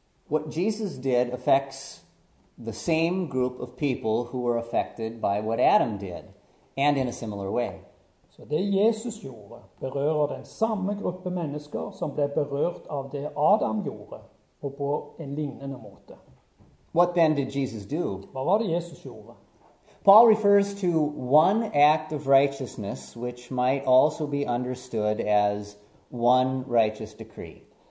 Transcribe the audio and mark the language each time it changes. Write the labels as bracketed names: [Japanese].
[English] What Jesus did affects the same group of people who were affected by what Adam did, and in a similar way. [Norwegian] Så det Jesus gjorde berører den samme gruppe mennesker som ble berørt av det Adam gjorde, og på en lignende måte. [English] What then did Jesus do? [Norwegian] Hva var det Jesus gjorde? [English] Paul refers to one act of righteousness, which might also be understood as one righteous decree.